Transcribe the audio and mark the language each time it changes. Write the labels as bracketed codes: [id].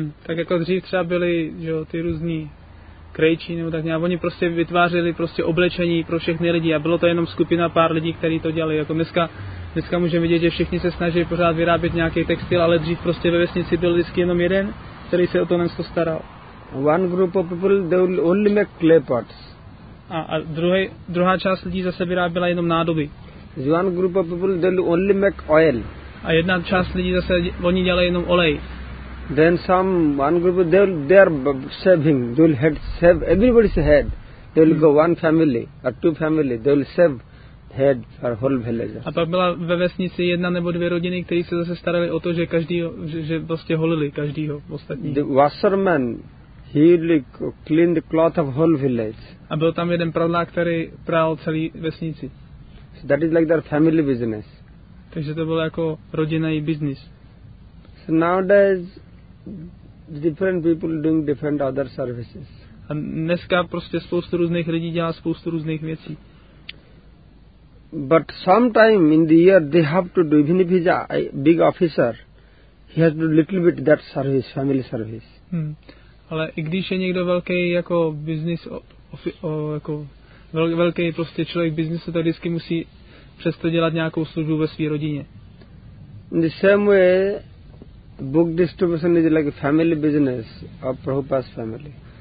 [cs] Tak jako dřív třeba byli, jo, ty různí krejčí nebo tak nějak. Oni prostě vytvářeli prostě oblečení pro všechny lidi a bylo to jenom skupina pár lidí, kteří to dělali. Jako dneska můžeme vidět, že všichni se snaží pořád vyrábět nějaký textil, ale dřív prostě ve vesnici byl vždycky jenom jeden, který se o to dnesko staral. [en] One group of people, they will only make clay pots. [cs] A druhá část lidí zase vyráběla jenom nádoby. [en] One group of people, they will only make oil. [cs] A jedna část lidí zase, oni dělají jenom olej. [en] Then one group, they are saving, they will save everybody's head. They will go one family or two family, they will save head for whole village. [cs] A pak byla ve vesnici jedna nebo dvě rodiny, které se zase starali o to, že každý, že prostě holili každýho ostatní. [en] The washerman, he really cleaned the cloth of whole village. [cs] A byl tam jeden pradlák, který pral celý vesnici. [en] So that is like their family business. [cs] Takže to bylo jako rodinný business. [en] So nowadays, different people doing different other services. [cs] A dneska prostě spoustu různých lidí dělá spoustu různých věcí. [en] But sometime in the year they have to do, even if he's a big officer, he has to do little bit that service, family service. [cs] Ale i když je někdo velký jako business, jako velký prostě člověk biznisu, tak vždycky musí přesto dělat nějakou službu ve své rodině. [en] In the same way, book distribution is like a family business of Prabhupada's family.